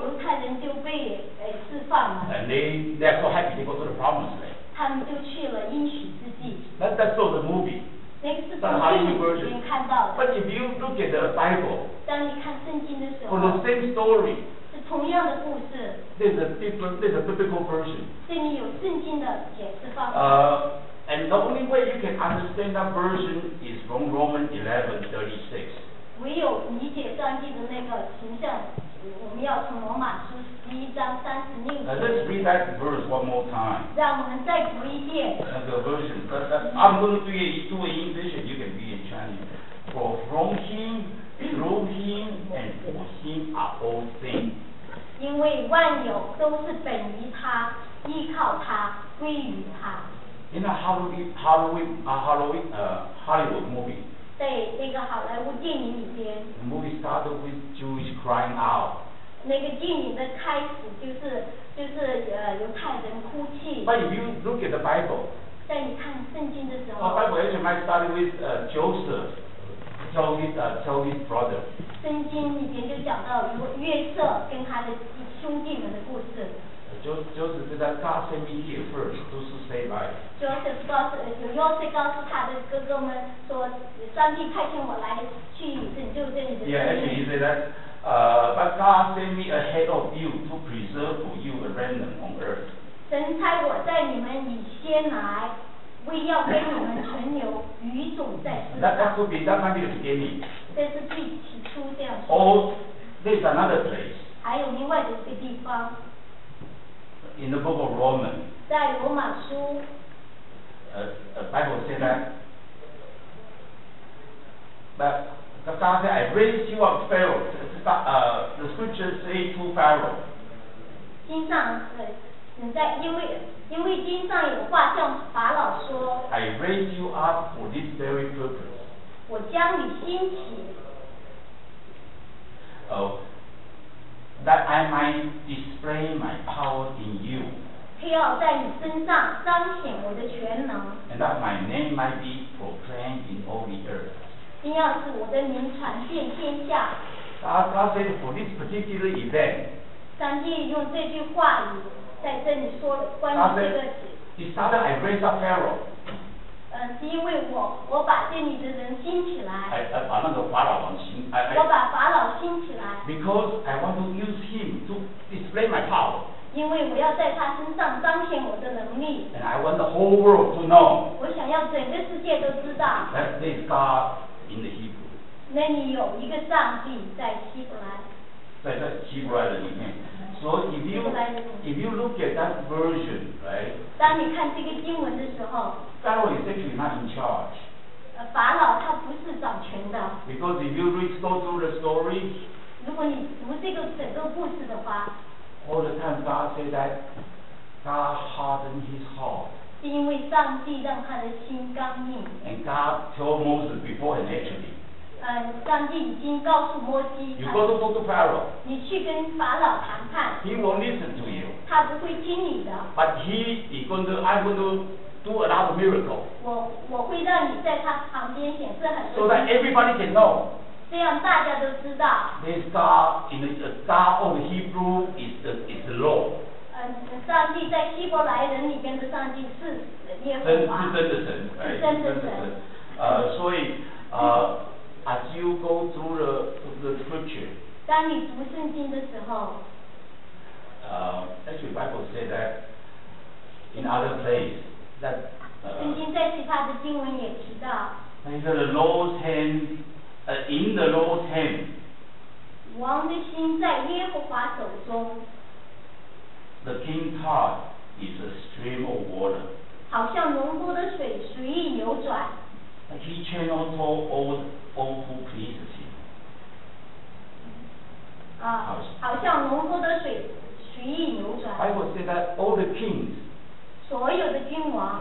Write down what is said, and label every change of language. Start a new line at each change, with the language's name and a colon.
English: And they therefore had to go to the promised land.
Chinese: 他们就去了应许之地。
English: That, that's all the movie.
Chinese: 那个是从电影里面看到的。
English: But if you look at the Bible,
Chinese: 当你看圣经的时候
English: ，for the same story,
Chinese: 是同样的故事。
English: There's a different, there's a biblical version.
Chinese: 这里有圣经的解释方法。
English: And the only way you can understand that version is from Romans 11:36.
Chinese: 唯有理解上帝的那个形象，我们要从罗马书十一章三十六节。
English: Let's read that verse one more time.
Chinese: 让我们再读一遍。
English: 那个 version, I'm going to do it in English, you can read in Chinese. For from him, through him, and for him are all things.
Chinese: 因为万有都是本于他，依靠他，归于他。
English: In a Hollywood movie.
Chinese: 在那个好莱坞电影里边。
English: The movie started with Jews crying out.
Chinese: 那个电影的开始就是犹太人哭泣。
English: But if you look at the Bible.
Chinese: 在你看圣经的时候。
English: The Bible actually might start with Joseph, tell his brother.
Chinese: 圣经里边就讲到约瑟跟他的兄弟们的故事。
English: Joseph said that God sent me here first to save life.
Chinese: Joseph 告诉他的哥哥们说，上帝派遣我来去拯救这里的生命。
English: Yeah, actually he said that, but God sent me ahead of you to preserve for you a remnant on earth.
Chinese: 神差我在你们以先来，为要给你们存留余种在世上。
English: That might be the beginning.
Chinese: 这是最起初这样
English: 说。Oh, there's another place.
Chinese: 还有另外的一个地方。
English: In the book of Romans,
Chinese: 在罗马书
English: Bible said that, but the God said, I raised you up Pharaoh, the scriptures say to Pharaoh.
Chinese: 经上是，你在因为经上有话向法老说，
English: I raised you up for this very purpose.
Chinese: 我将你兴起。
English: That I might display my power in you.
Chinese: 他要在你身上彰显我的全能。
English: And that my name might be proclaimed in all the earth.
Chinese: 并要使我的名传遍天下。
English: God said for this particular event.
Chinese: 上帝用这句话语在这里说关于这个。
English: He started I raise up Pharaoh.
Chinese: 是因为我把这里的人兴起来。我把法老兴起来。
English: Because I want to use him to display my power.
Chinese: 因为我要在他身上彰显我的能力。
English: And I want the whole world to know.
Chinese: 我想要整个世界都知道。
English: That there is God in the Hebrew.
Chinese: 那里有一个上帝在希伯来。在希伯来的里面。
English: So if you look at that version, right?
Chinese: 当你看这个经文的时候，
English: Pharaoh is actually not in charge.
Chinese: 法老他不是掌权的。
English: Because if you read through the story,
Chinese: 如果你读这个整个故事的话，
English: all the time God say that God hardened his heart.
Chinese: 是因为上帝让他的心刚硬。
English: And God told Moses beforehand actually.
Chinese: 上帝已经告诉摩西，
English: you go to talk to Pharaoh.
Chinese: 你去跟法老谈判。
English: He won't listen to you.
Chinese: 他不会听你的。
English: But I'm going to do a lot of miracles.
Chinese: 我会让你在他旁边显示很多。
English: So that everybody can know.
Chinese: 这样大家都知道。
English: This God in the God of Hebrew is the law.
Chinese: 上帝在希伯来人里边的上帝是耶和华。是真的神。所以
English: As you go through the scripture,
Chinese: 当你读圣经的时候，
English: actually Bible says that in other place that
Chinese: 圣经在其他的经文也提到。
English: He said the Lord's hand, in the Lord's hand.
Chinese: 王的心在耶和华手中。
English: The king's heart is a stream of water.
Chinese: 好像浓多的水随意流转。
English: He channels all who pleases him.
Chinese: 好像浓多的水随意流转。
English: Bible says that all the kings,
Chinese: 所有的君王，